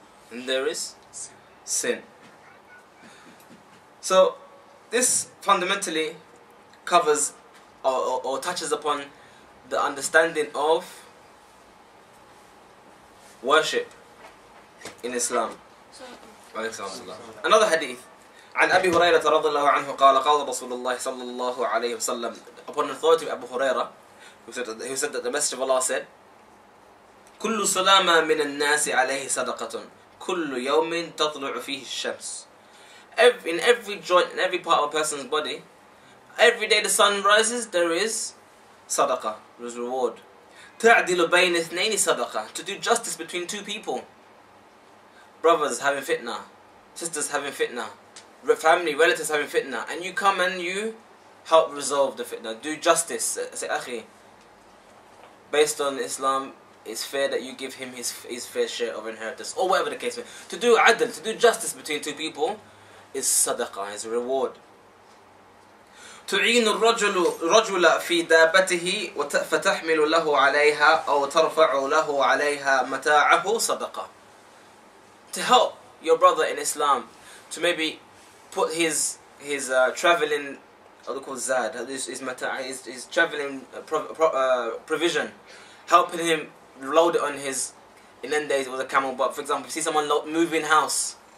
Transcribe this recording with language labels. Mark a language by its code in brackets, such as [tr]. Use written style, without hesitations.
[en] And there is sin. So, this fundamentally covers or touches upon the understanding of worship in Islam. Another hadith. [ar] عن أبي هريرة رضي الله عنه قال قال رسول الله صلى الله عليه وسلم. [en] Upon authority of Abu Huraira, who said that the Messenger of Allah said, [ar] كل سلامة من الناس عليه صدقة كل يوم تطلع فيه الشمس. [en] In every joint, in every part of a person's body, every day the sun rises, there is sadaqah, there is reward. [ar] تَعْدِلُ بَيْنِ اثْنَيْنِ صَدَقَة. [en] To do justice between two people. Brothers having fitna, sisters having fitna, family, relatives having fitna. And you come and you help resolve the fitna, do justice. Say, Akhi, based on Islam, it's fair that you give him his fair share of inheritance, or whatever the case may be. To do adl, to do justice between two people, is sadaqah, is a reward. [ar] تعين الرجل رجلا في دابته فتحمل له عليها أو ترفع له عليها متاعه صدقة. [en] To help your brother in Islam, to maybe put his traveling, what do you call zad, his mata'ah, his traveling provision, helping him load it on his, in end days it was a camel, but for example, if you see someone moving house,